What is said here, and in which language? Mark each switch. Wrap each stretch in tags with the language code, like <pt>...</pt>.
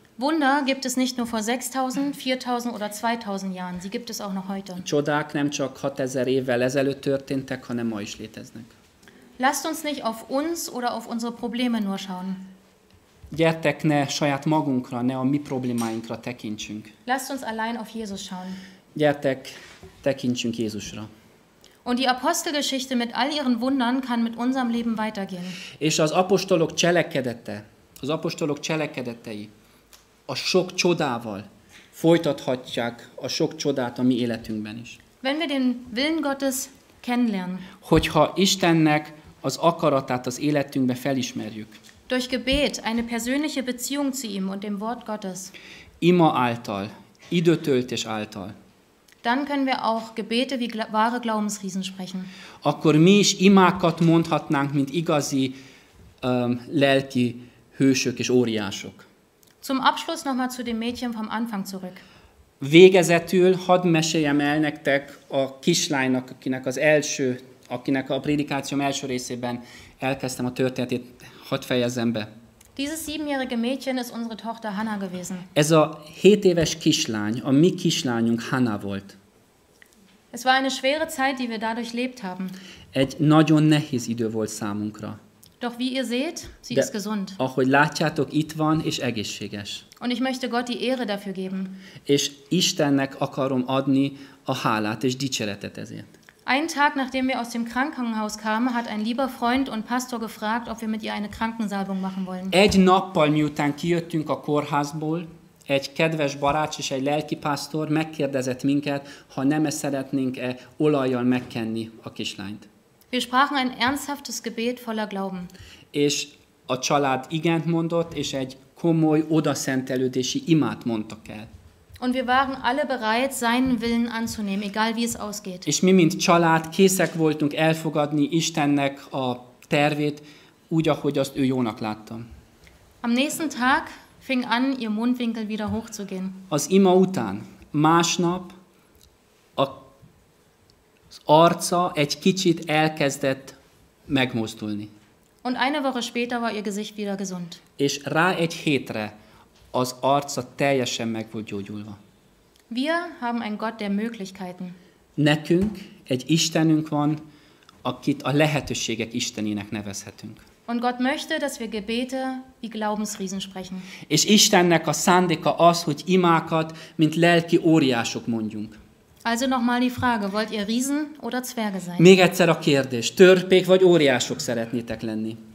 <de>Wunder gibt es nicht nur vor 6000, 4000 oder 2000 Jahren, sie gibt es auch noch heute.</de> <hu>Csodák nem csak 6000 évvel ezelőtt történtek, hanem ma is léteznek.</hu> <de>Lasst uns nicht auf uns oder auf unsere Probleme nur schauen.</de> <hu>Gyertek, ne saját magunkra, ne a mi problémáinkra tekintsünk.</hu> <de>Lasst uns allein auf Jesus schauen.</de> <hu>Gyertek, tekintsünk Jézusra.</hu> <de>Und die Apostelgeschichte mit all ihren Wundern kann mit unserem Leben weitergehen.</de> <hu>És az apostolok cselekedetei a sok csodával folytathatják a sok csodát a mi életünkben is.</hu> <de>wenn wir den Willen Gottes kennenlernen.</de> <hu>Hogyha Istennek az akaratát az életünkbe felismerjük.</hu> <de>Durch Gebet, eine persönliche Beziehung zu ihm und dem Wort Gottes.</de> <hu>Ima által, időtöltés által.</hu> <de>Dann können wir auch Gebete wie wahre Glaubensriesen sprechen.</de> <hu>Akkor mi is imákat mondhatnánk, mint igazi lelki hősök és óriások.</hu> <de>Zum Abschluss nochmal zu dem Mädchen vom Anfang zurück.</de> <hu>Végezetül hadd meséljem el nektek a kislánynak, akinek a prédikációm első részében elkezdtem a történetét, hadd fejezzem be.</hu> <de>Dieses siebenjährige Mädchen ist unsere Tochter Hanna gewesen.</de> <hu>Ez a 7 éves kislány, a mi kislányunk Hanna volt.</hu> <de>Es war eine schwere Zeit, die wir dadurch lebt haben.</de> <hu>Egy nagyon nehéz idő volt számunkra.</hu> <de>Doch wie ihr seht, sie ist gesund.</de> <hu>Ahogy látjátok, itt van és egészséges.</hu> <de>Und ich möchte Gott die Ehre dafür geben.</de> <hu>És Istennek akarom adni a hálát és dicséretet ezért.</hu> <de>Einen Tag, nachdem wir aus dem Krankenhaus kamen, hat ein lieber Freund und Pastor gefragt, ob wir mit ihr eine Krankensalbung machen wollen.</de> <hu>Egy nappal miután kijöttünk a kórházból, egy kedves barács és egy lelki pastor megkérdezett minket, ha nem szeretnénk-e olajjal megkenni a kislányt.</hu> <de>Wir sprachen ein ernsthaftes Gebet voller Glauben.</de> <hu>És a család igent mondott, és egy komoly odaszentelődési imát mondtak el.</hu> <de>Und wir waren alle bereit, seinen Willen anzunehmen, egal wie es ausgeht.</de> <hu>És mi mint család készek voltunk elfogadni Istennek a tervét, úgy, ahogy azt ő jónak láttam.</hu> <de>Am nächsten Tag fing an, ihr Mundwinkel wieder hochzugehen.</de> <hu>Az ima után, másnap, az arca egy kicsit elkezdett megmozdulni.</hu> <de>Und eine Woche später war ihr Gesicht wieder gesund.</de> <hu>És rá egy hétre az arca teljesen meg volt gyógyulva.</hu> <de>Wir haben einen Gott der Möglichkeiten.</de> <hu>Nekünk egy Istenünk van, akit a lehetőségek Istenének nevezhetünk.</hu> <de>Und Gott möchte, dass wir Gebete wie Glaubensriesen sprechen.</de> <hu>És Istennek a szándéka az, hogy imákat, mint lelki óriások mondjunk.</hu> <de>Also nochmal die Frage, wollt ihr Riesen oder Zwerge sein?</de> <hu>Még egyszer a kérdés, törpék vagy óriások szeretnétek lenni?</hu>